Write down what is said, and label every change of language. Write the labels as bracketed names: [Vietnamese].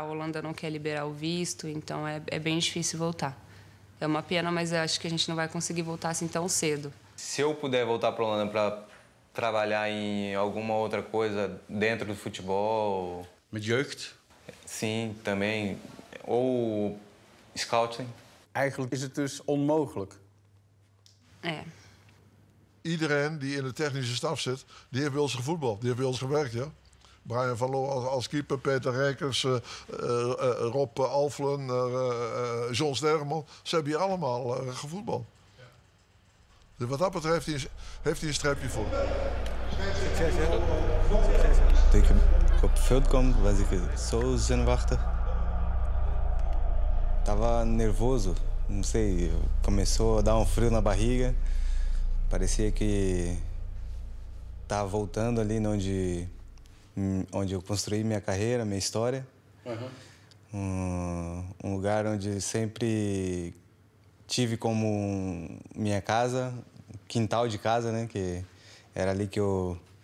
[Portuguese] A Holanda não quer liberar o visto, então é bem difícil voltar. É uma pena, mas eu acho que a gente não vai conseguir voltar assim tão cedo. Se eu puder voltar pra Holanda pra trabalhar em alguma outra coisa dentro do futebol. [Dutch] Met jeugd? [Portuguese] Sim, também. Ou scouting. [Dutch] Eigenlijk is het dus onmogelijk. [Portuguese] É. [Dutch] Iedereen die in de technische staf zit, die heeft bij ons gevoetbald. Die heeft bij ons gewerkt, ja. Brian van Loo als keeper, Peter Rijkers, Rob Alflen, John Sterman. Ze hebben hier allemaal gevoetbald. Dus wat dat betreft heeft hij een streepje voor. Succes, hè? Dat ik op het veld kom, was ik zo zenuwachtig. Ik was nervoso. [Portuguese] Não sei, começou a dar frio na barriga. Parecia que estava voltando ali onde eu construí minha carreira, minha história. Um lugar onde sempre tive como minha casa. Quintal de casa, né? Que era ali que eu